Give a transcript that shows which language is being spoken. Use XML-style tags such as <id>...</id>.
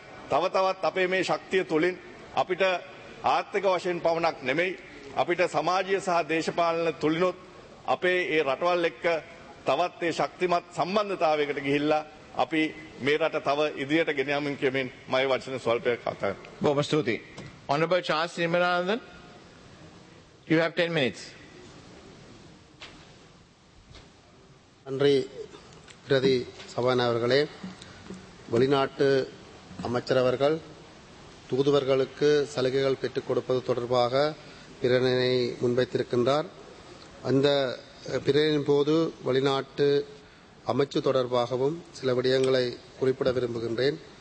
<si>තව තවත් අපේ මේ ශක්තිය තුළින් අපිට ආර්ථික වශයෙන් පමණක් නෙමෙයි අපිට සමාජීය සහ දේශපාලන තුළිනුත් අපේ ඒ රටවල් එක්ක තවත් ඒ ශක්තිමත් සම්බන්ධතාවයකට ගිහිල්ලා අපි මේ රට තව ඉදිරියට ගෙන යමින් කියමින් මම වචන ස්වල්පයක් කතා කරනවා. බොහොම ස්තුතියි.</si> <en>Honorable Charles Srinivasan, you have 10 minutes.</en> <ta>நன்றி பிரதி சபாநாயகர்களே, வெளிநாட்டு அமைச்சரவர்கள் தூதுவர்களுக்கு சலுகைகள் பெற்றுக் கொடுப்பது தொடர்பாக பிரேரணையை முன்வைத்திருக்கின்றார். அந்த பிரேரணையின் போது வெளிநாட்டு அமைச்சு தொடர்பாகவும் சில விடயங்களை குறிப்பிட விரும்புகின்றேன்.</ta>